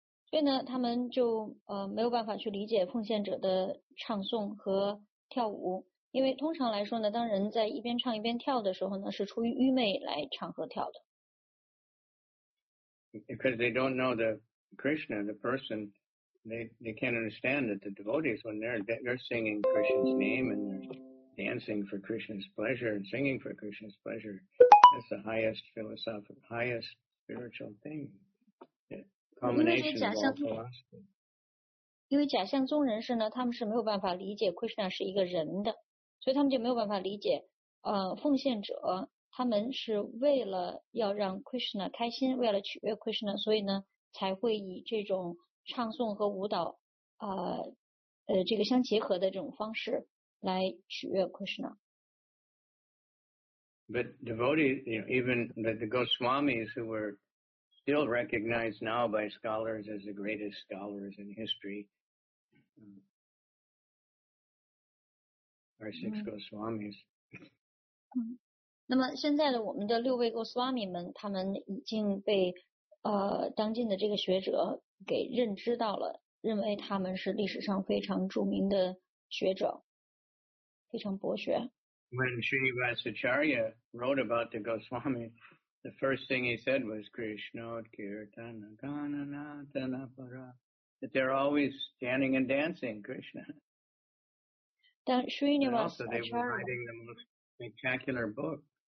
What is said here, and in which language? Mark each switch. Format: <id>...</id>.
<zh>所以呢，他们就没有办法去理解奉献者的唱诵和跳舞。因为通常来说呢，当人在一边唱一边跳的时候呢，是出于愚昧来唱和跳的。</zh> <en>Because they don't know the Krishna, the person, they can't understand that the devotees, when they're singing Krishna's name and they're dancing for Krishna's pleasure and singing for Krishna's pleasure, that's the highest philosophical, highest spiritual thing. The culmination of all philosophy.</en> <zh>因为假象宗人士呢，他们是没有办法理解 Krishna 是一个人的。所以他们就没有办法理解奉献者他们是为了要让 Krishna 开心，为了取悦 Krishna， 所以呢才会以这种唱诵和舞蹈这个相结合的这种方式来取悦 Krishna。</zh> <en>But devotees, you know, even the Goswamis who were still recognized now by scholars as the greatest scholars in history, our six Goswamis.</en> <zh>那么现在的我们的六位 Goswami 们，他们已经被当今的这个学者给认知到了，认为他们是历史上非常著名的学者，非常博学。</zh> <en>When Srinivasacharya wrote about the Goswami, the first thing he said was Krishna Kirtana Ganana Tanapara, that they're always standing and dancing, Krishna.</en> <zh>当 Srinivas</zh> <en>also, they were writing the most spectacular book.</en>